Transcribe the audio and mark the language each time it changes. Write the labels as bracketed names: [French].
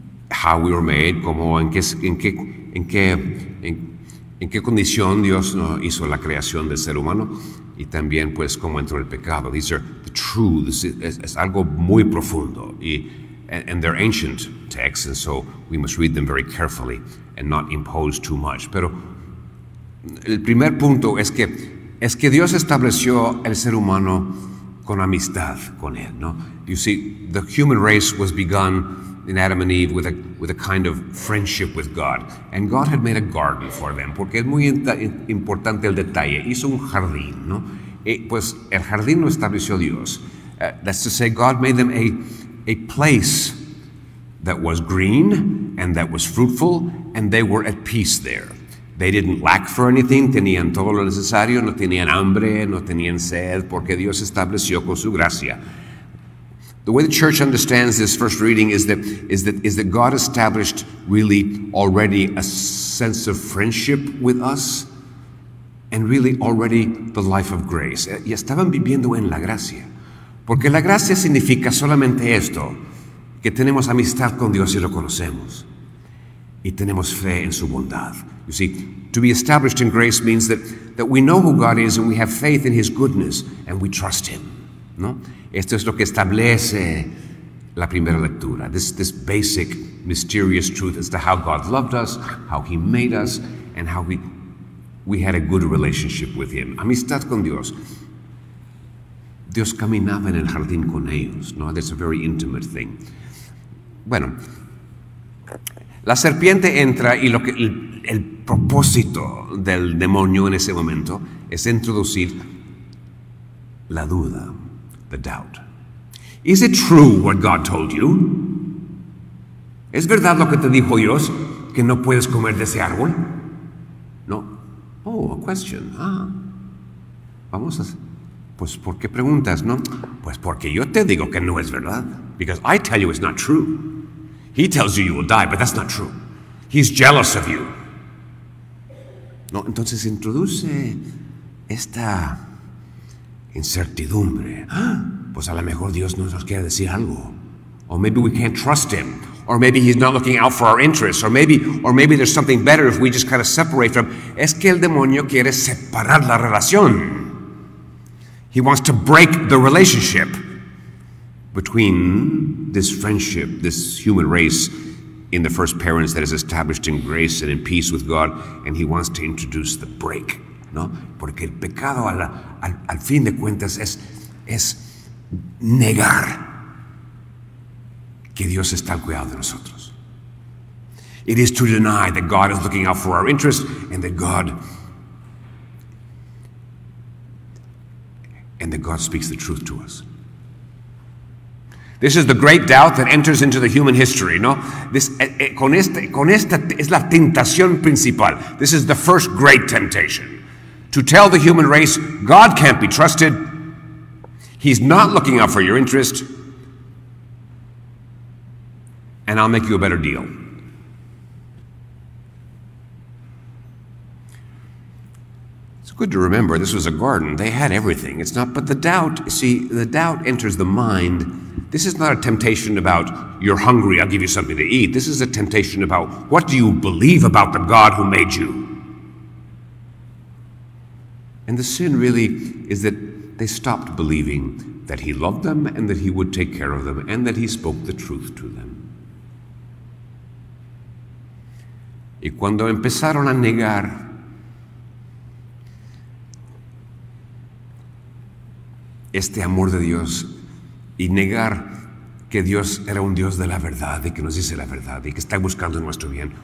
[English] How we were made, [Spanish] como en qué condición Dios hizo la creación del ser humano, y también pues cómo entró el pecado. [English] These are the truths, [Spanish] es algo muy profundo, [English] and they're ancient texts, and so we must read them very carefully and not impose too much. [Spanish] Pero el primer punto es que Dios estableció el ser humano con amistad con él, ¿no? [English] You see, the human race was begun in Adam and Eve with a kind of friendship with God. And God had made a garden for them, [Spanish] porque es muy importante el detalle. Hizo un jardín, ¿no? Y pues el jardín lo estableció Dios. [English] That's to say, God made them a place that was green and that was fruitful, and they were at peace there. They didn't lack for anything, [Spanish] tenían todo lo necesario, no tenían hambre, no tenían sed, porque Dios estableció con su gracia. [English] The way the church understands this first reading is that God established really already a sense of friendship with us, and really already the life of grace. [Spanish] Y estaban viviendo en la gracia. Porque la gracia significa solamente esto, que tenemos amistad con Dios y lo conocemos. Y tenemos fe en su bondad. [English] You see, to be established in grace means that we know who God is and we have faith in his goodness and we trust him. [Spanish] ¿No? Esto es lo que establece la primera lectura. [English] This basic, mysterious truth as to how God loved us, how he made us, and how we had a good relationship with him. [Spanish] Amistad con Dios. Dios caminaba en el jardín con ellos. ¿No? [English] That's a very intimate thing. [Spanish] Bueno, la serpiente entra y el propósito del demonio en ese momento es introducir la duda. [English] The doubt. Is it true what God told you? [Spanish] ¿Es verdad lo que te dijo Dios, que no puedes comer de ese árbol? [English] No. Oh, a question. Ah. [Spanish] Vamos a... Pues, ¿por qué preguntas, no? Pues, porque yo te digo que no es verdad. [English] Because I tell you it's not true. He tells you you will die, but that's not true. He's jealous of you. [Spanish] No, entonces introduce esta... incertidumbre. Pues a lo mejor Dios no nos quiere decir algo. [English] Or maybe we can't trust him. Or maybe he's not looking out for our interests. Or maybe there's something better if we just kind of separate from. [Spanish] Es que el demonio quiere separar la relación. [English] He wants to break the relationship between this friendship, this human race in the first parents that is established in grace and in peace with God. And he wants to introduce the break. ¿No? [Spanish] Porque el pecado al fin de cuentas es negar que Dios está al cuidado de nosotros. [English] It is to deny that God is looking out for our interests and that God speaks the truth to us. This is the great doubt that enters into the human history, no? This, [Spanish] con esta es la tentación principal. [English] This is the first great temptation. To tell the human race, God can't be trusted. He's not looking out for your interest. And I'll make you a better deal. Good to remember, this was a garden. They had everything. It's not, but the doubt, see, the doubt enters the mind. This is not a temptation about, you're hungry, I'll give you something to eat. This is a temptation about, what do you believe about the God who made you? And the sin really is that they stopped believing that he loved them and that he would take care of them and that he spoke the truth to them. [Spanish] Y cuando empezaron a negar, este amor de Dios y negar que Dios era un Dios de la verdad y que nos dice la verdad y que está buscando nuestro bien.